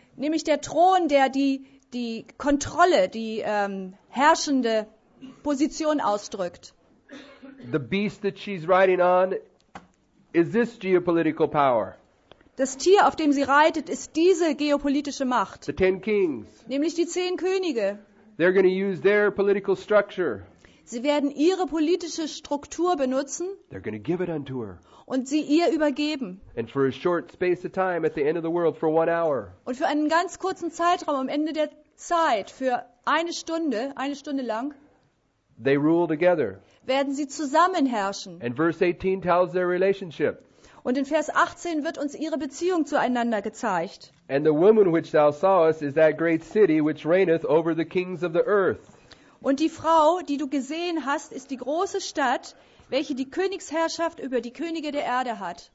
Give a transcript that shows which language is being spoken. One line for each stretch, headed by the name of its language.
German: Nämlich der Thron, der die Kontrolle, die herrschende Position ausdrückt.
English: The beast that she's riding on is this geopolitical power.
German: Das Tier, auf dem sie reitet, ist diese geopolitische Macht.
English: The ten kings.
German: Nämlich die zehn Könige.
English: They're going to use their political structure.
German: Sie werden ihre politische Struktur benutzen.
English: They're going to give it unto her.
German: Und sie ihr übergeben.
English: And for a short space of time at the end of the world for 1 hour.
German: Und für einen ganz kurzen Zeitraum am Ende der Zeit, für eine Stunde lang.
English: They rule together.
German: Werden sie zusammen herrschen.
English: And verse 18 tells their relationship.
German: Und in Vers 18 wird uns ihre Beziehung zueinander gezeigt.
English: And the woman which thou sawest is that great city which reigneth over the kings of the earth.
German: Und die Frau, die du gesehen hast, ist die große Stadt, welche die Königsherrschaft über die Könige der Erde hat.